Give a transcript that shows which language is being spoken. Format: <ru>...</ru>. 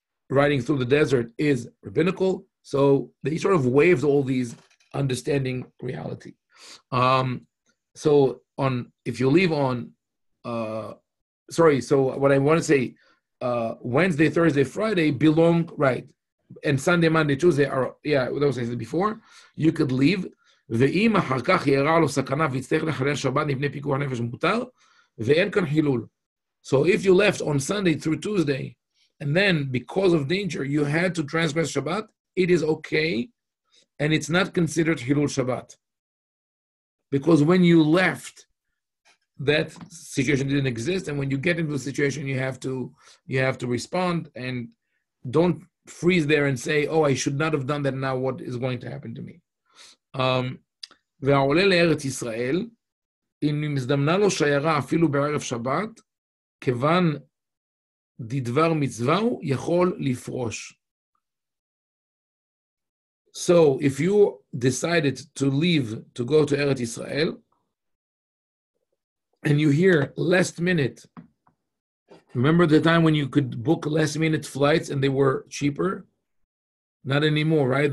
<en>Riding through the desert is rabbinical. So they sort of waived all these understanding reality. So if you leave on So what I want to say, Wednesday, Thursday, Friday belong, right? And Sunday, Monday, Tuesday are, yeah, that was what I said before. You could leave.</en> <he>ואם אחר כך יראה לו סכנה ויצטרך לחלל שבת לפני פיקוח הנפש מותר, ואין כאן חילול.</he> <en>So if you left on Sunday through Tuesday, and then because of danger, you had to transgress Shabbat, it is okay, and it's not considered חילול Shabbat. Because when you left, that situation didn't exist, and when you get into the situation, you have to respond, and don't freeze there and say, oh, I should not have done that, now what is going to happen to me?</en> <he>והעולה לארץ ישראל, אם מזדמנה לו שיירה אפילו בערב שבת, כיוון דדבר מצווהו, יכול לפרוש.</he> <en>So, if you decided to leave, to go to Eretz Yisrael, and you hear last minute, remember the time when you could book last minute flights and they were cheaper? Not anymore, right?</en>